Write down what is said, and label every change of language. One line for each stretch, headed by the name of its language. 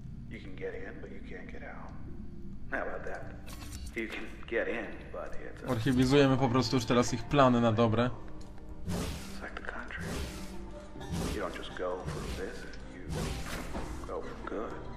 English: You can get in, but you can't get out. How about that? You can get in, but it's a...
Polish: Archiwizujemy po prostu już teraz ich plany na dobre.
English: It's like the country. You don't just go for a visit, you go for good.